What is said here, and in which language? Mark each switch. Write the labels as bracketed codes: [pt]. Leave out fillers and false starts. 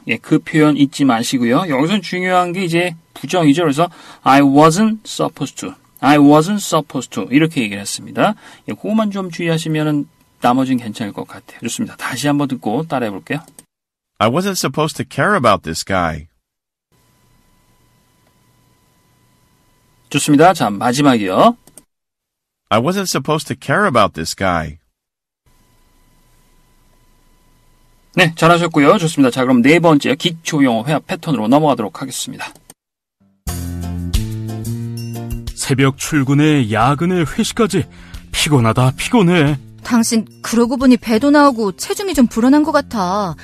[ko] 예, 그 표현 잊지 마시고요. 여기서 중요한 게 이제 부정이죠. 그래서 [en] I wasn't supposed to. I wasn't supposed to. [ko] 이렇게 얘기를 했습니다. 예, 그것만 좀 주의하시면은 나머지는 괜찮을 것 같아요. 좋습니다. 다시 한번 듣고 따라해 볼게요. [en] I wasn't supposed to care about this guy. [ko] 좋습니다. 자, 마지막이요. [en] I wasn't supposed to care about this guy. [ko] 네, 잘하셨고요. 좋습니다. 자, 그럼 네 번째 기초 영어 회화 패턴으로 넘어가도록 하겠습니다. 새벽 출근에 야근에 회식까지 피곤하다, 피곤해. 당신 그러고 보니 배도 나오고 체중이 좀 불어난 것 같아.